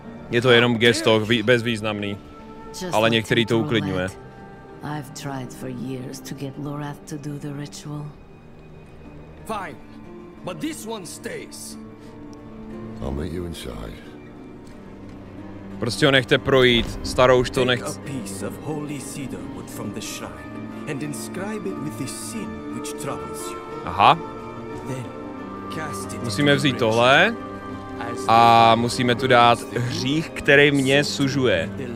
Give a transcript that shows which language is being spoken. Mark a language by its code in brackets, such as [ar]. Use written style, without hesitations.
[cs] Je to jenom gesto, bezvýznamný. Ale některý to uklidňuje. [en] I've tried for years to get Lorath to do the ritual. Fine, but this one stays. I'll meet you inside. [cs] Prostě ho nechte projít, starou už to nechce. [en] Take a piece of holy cedar wood from the shrine and inscribe it with the sin which troubles you. Aha. Then cast it. [cs] Musíme vzít tohle a musíme tu dát hřích, který mě sužuje.